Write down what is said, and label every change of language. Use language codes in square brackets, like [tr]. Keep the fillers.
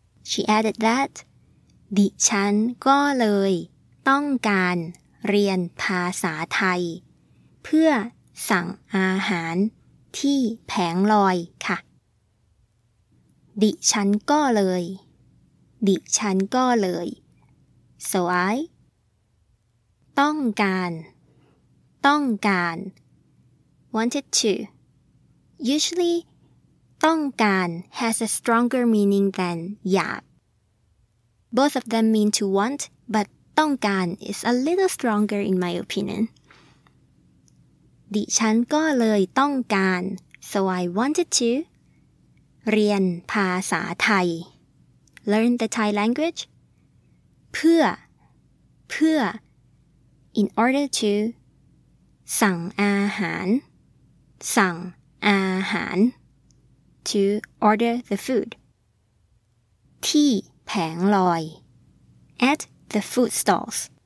[en] She added that [th] ดิฉันก็เลย ต้องการเรียนภาษาไทย เพื่อสั่งอาหารที่แผงลอยค่ะ ดิฉันก็เลย ดิฉันก็เลย [en] so I [th] ต้องการ ต้องการ [en] wanted to. Usually, ต้องการ has a stronger meaning than อยาก Both of them mean to want, but ต้องการ is a little stronger in my opinion. [th] ดิฉันก็เลยต้องการ [en] so I wanted to [th] เรียนภาษาไทย [en] learn the Thai language [th] เพื่อ เพื่อ [en] in order to [th] สั่งอาหาร สั่งอาหาร [en] to order the food [th] ที่แผงลอย [en] at the food stalls